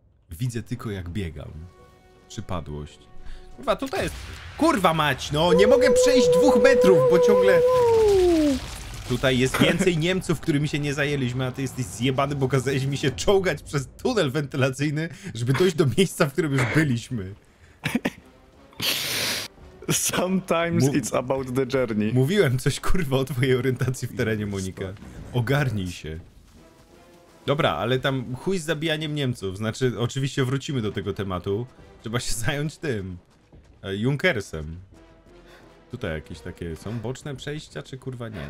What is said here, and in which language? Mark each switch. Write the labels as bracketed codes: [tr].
[pl] Widzę tylko jak biegam. Przypadłość. Kurwa, tutaj jest... Kurwa mać, no nie mogę przejść 2 metrów, bo ciągle... Tutaj jest więcej Niemców, którymi się nie zajęliśmy, a ty jesteś zjebany, bo kazałeś mi się czołgać przez tunel wentylacyjny, żeby dojść do miejsca, w którym już byliśmy. [en] Sometimes it's about the journey. [pl] Mówiłem coś kurwa o twojej orientacji w terenie, Monika. Ogarnij się. Dobra, ale tam chuj z zabijaniem Niemców, znaczy oczywiście wrócimy do tego tematu. Trzeba się zająć tym. Junkersem. Tutaj jakieś takie są boczne przejścia, czy kurwa nie?